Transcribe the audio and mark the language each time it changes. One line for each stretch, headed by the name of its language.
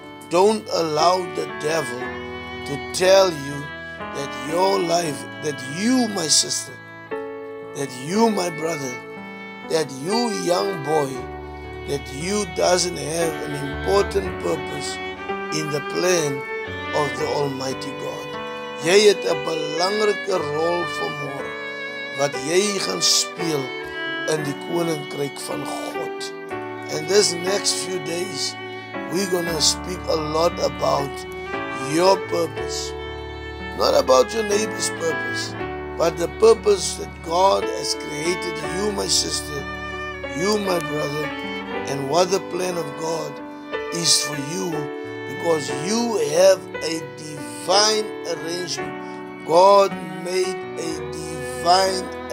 English: Don't allow the devil to tell you that your life, that you, my sister, that you, my brother, that you, young boy, that you doesn't have an important purpose in the plan of the Almighty God.
Afrikaans: Jy het 'n belangrike rol vir môre wat jy gaan speel in die koninkryk van God.
English: And this next few days, we're going to speak a lot about your purpose. Not about your neighbor's purpose, but the purpose that God has created you, my sister, you, my brother, and what the plan of God is for you, because you have a divine arrangement. God made a divine arrangement.